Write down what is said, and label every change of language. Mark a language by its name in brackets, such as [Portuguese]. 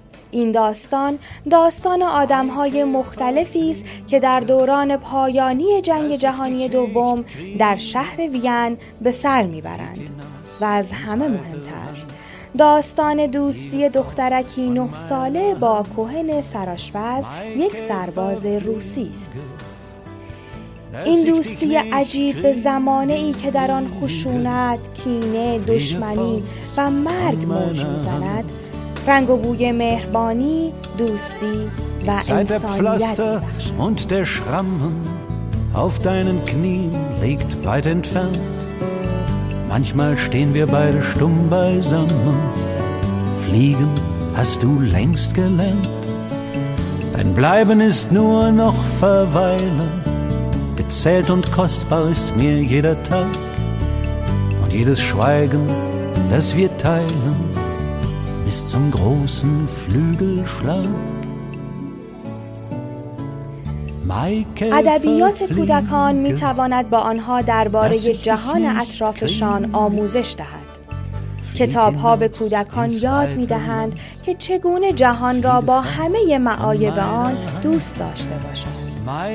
[Persian] این داستان، داستان آدم‌های مختلفی است که در دوران پایانی جنگ جهانی دوم در شهر وین به سر می‌برند و از همه مهمتر، داستان دوستی دخترکی 9 ساله با کوهن سراشپز، یک سرباز روسی است. این دوستی عجیب به زمانه ای که در آن خشونت، کینه، دشمنی و مرگ موج می‌زند، رنگ و بوی مهربانی، دوستی و انسانیت [German] und der Schramm auf deinen Knien liegt weit entfernt. Manchmal stehen wir beide stumm beisammen. Fliegen hast du längst gelernt. Dein Bleiben ist nur noch verweilen. Gezählt und kostbar ist mir jeder Tag und jedes Schweigen, das wir teilen. Bis zum großen Flügelschlag. [Persian] ادبیات کودکان می تواند با آنها درباره جهان اطرافشان آموزش دهد. کتاب ها به کودکان یاد می دهند که چگونه جهان را با همه معایب آن دوست داشته باشند.